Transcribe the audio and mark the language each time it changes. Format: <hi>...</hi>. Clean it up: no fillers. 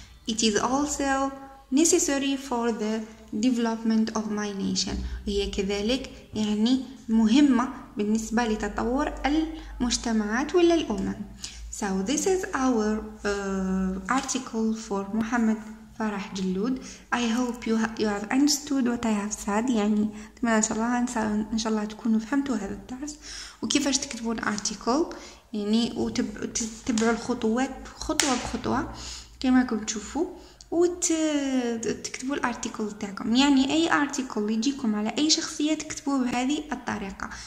<en>It is also necessary for the development of my nation.</en> <ar>هي كذلك يعني مهمة بالنسبة لتطور المجتمعات ولا الأمم.</ar> <en>So this is our article for محمد فرح جلود. I hope you have understood what I have said.</en> <ar>يعني أتمنى إن شاء الله تكونوا فهمتوا هذا الدرس وكيفاش تكتبون article يعني وتتبعوا الخطوات خطوة بخطوة كما كنتم تشوفوا وتكتبوا الارتيكل تاعكم. يعني اي ارتيكل يجيكم على اي شخصيه تكتبوه بهذه الطريقه.</ar>